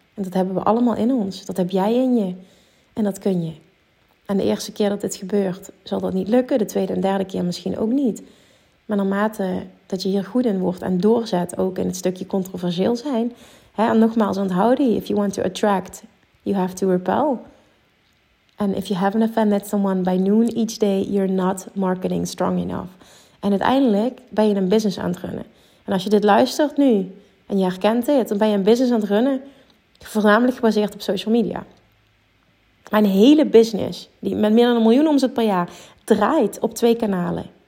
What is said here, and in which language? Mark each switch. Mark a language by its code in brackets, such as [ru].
[nl] En dat hebben we allemaal in ons. Dat heb jij in je. En dat kun je. En de eerste keer dat dit gebeurt, zal dat niet lukken. De tweede en derde keer misschien ook niet. Maar naarmate dat je hier goed in wordt en doorzet, ook in het stukje controversieel zijn. Hè, en nogmaals, onthoud die. [en] If you want to attract, you have to repel. And if you haven't offended someone by noon each day, you're not marketing strong enough. [nl] En uiteindelijk ben je een business aan het runnen. En als je dit luistert nu en je herkent dit, dan ben je een business aan het runnen, voornamelijk gebaseerd op social media. Mijn hele business, die met meer dan 1 miljoen omzet per jaar, draait op 2 kanalen.